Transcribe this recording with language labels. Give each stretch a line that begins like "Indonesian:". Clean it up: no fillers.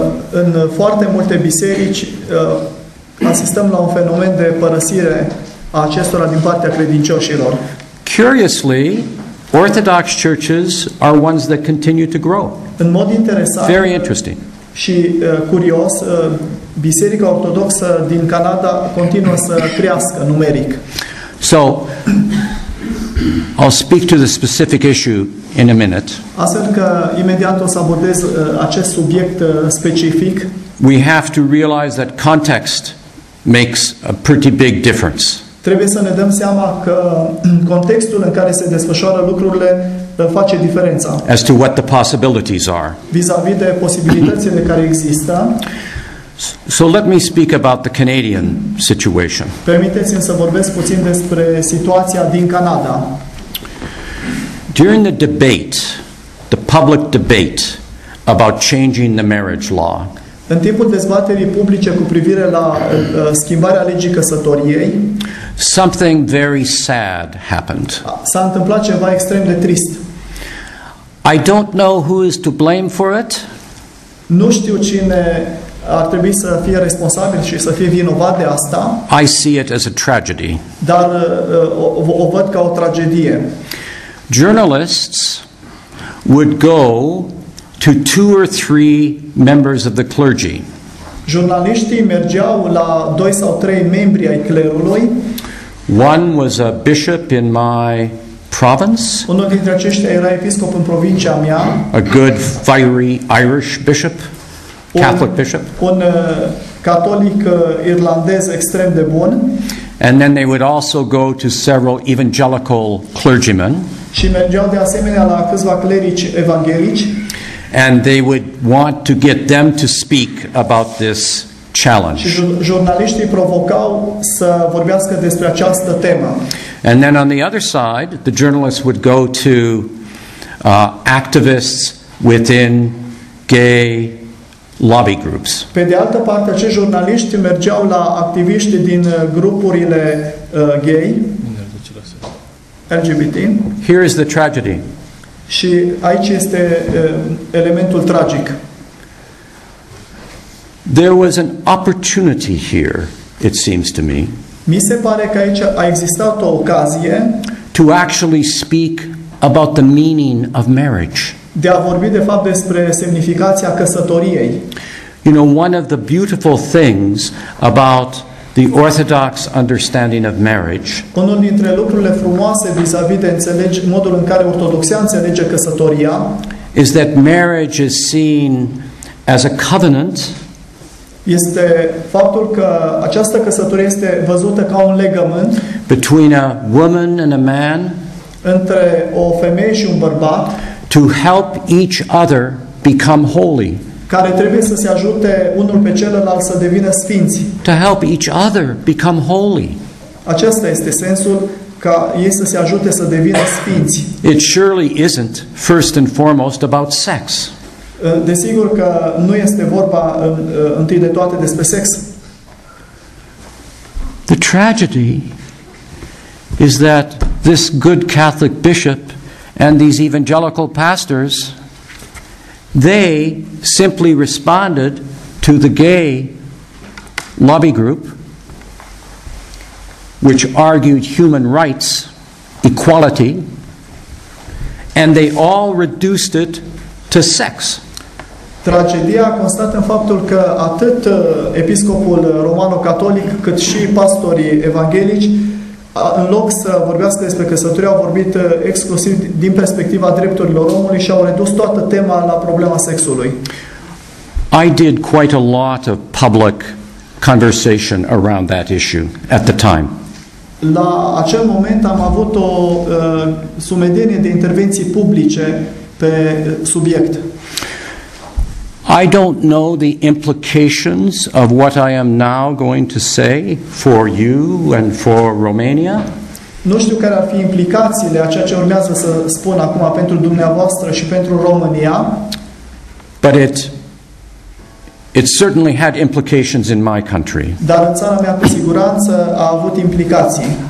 Romanian: În foarte multe biserici asistăm la un fenomen de părăsire a acestora din partea credincioșilor.
English: Curiously, Orthodox churches are ones that continue to grow.
Romanian: În mod interesant.
English: Very interesting.
Romanian: Și curios, biserica ortodoxă din Canada continuă să crească numeric.
English: So I'll speak to the specific issue in a minute.
Romanian: Astfel că imediat o să abordez acest subiect specific.
English: We have to realize that context makes a pretty big difference.
Romanian: Trebuie să ne dăm seama că contextul în care se desfășoară lucrurile face diferența.
English: As to what the possibilities are.
Romanian: Vis-a-vis de posibilitățile care există.
English: So let me speak about the Canadian situation.
Romanian: Permiteți-mi să vorbesc puțin despre situația din Canada.
English: During the debate, the public debate about changing the marriage law.
Romanian: În timpul dezbaterii publice cu privire la schimbarea legii căsătoriei,
English: something very sad happened.
Romanian: S-a întâmplat ceva extrem de trist.
English: I don't know who is to blame for it.
Romanian: Nu știu cine ar trebui să fie responsabil și să fie vinovat de asta.
English: I see it as a tragedy.
Romanian: Dar o văd ca o tragedie.
English: Journalists would go to two or three members of the clergy.
Romanian: Jurnaliștii mergeau la doi sau trei membri ai clerului.
English: One was a bishop in my province.
Romanian: Unul dintre aceștia era episcop în provincia mea.
English: A good fiery Irish bishop. Catholic bishop.
Romanian: Un catolic irlandez extrem de bun.
English: And then they would also go to several evangelical clergymen.
Romanian: Și mergeau de asemenea la câțiva clerici evanghelici.
English: And they would want to get them to speak about this challenge.
Romanian: Jurnaliștii provocau să vorbească despre această temă.
English: And then on the other side, the journalists would go to activists within gay lobby groups.
Romanian: Pe de altă parte, acești jurnaliști mergeau la activiști din grupurile gay, LGBT.
English: Here is the tragedy.
Romanian: Și aici este elementul tragic.
English: There was an opportunity here, it seems to me.
Romanian: Mi se pare că aici a existat o ocazie
English: to actually speak about the meaning of marriage.
Romanian: De a vorbi de fapt despre semnificația căsătoriei.
English: You know, one of the beautiful things about the orthodox understanding of marriage.
Romanian: Unul dintre lucrurile frumoase vis-a-vis de înțelege modul în care ortodoxia înțelege căsătoria
English: is that marriage is seen as a covenant.
Romanian: Este faptul că această căsătorie este văzută ca un legământ
English: between a woman and a man,
Romanian: între o femeie și un bărbat,
English: to help each other become holy,
Romanian: care trebuie să se ajute unul pe celălalt să devină sfinți,
English: to help each other become holy.
Romanian: Acesta este sensul ca ei să se ajute să devină sfinți.
English: It surely isn't first and foremost about sex.
Romanian: Desigur că nu este vorba întâi de toate despre sex.
English: The tragedy is that this good Catholic bishop and these evangelical pastors, they simply responded to the gay lobby group, which argued human rights, equality, and they all reduced it to sex.
Romanian: Tragedia constă în faptul că atât episcopul romano-catolic, cât și pastorii evanghelici, în loc să vorbească despre căsătorie, au vorbit exclusiv din perspectiva drepturilor omului și au redus toată tema la problema sexului.
English: I did quite a lot of public conversation around that issue at the time.
Romanian: La acel moment am avut o sumedenie de intervenții publice pe subiect.
English: I don't know the implications of what I am now going to say for you and for Romania.
Romanian: Nu știu care ar fi implicațiile a ceea ce urmează să spun acum pentru dumneavoastră și pentru România.
English: But it certainly had implications in my country.
Romanian: Dar în țara mea, cu siguranță, a avut implicații.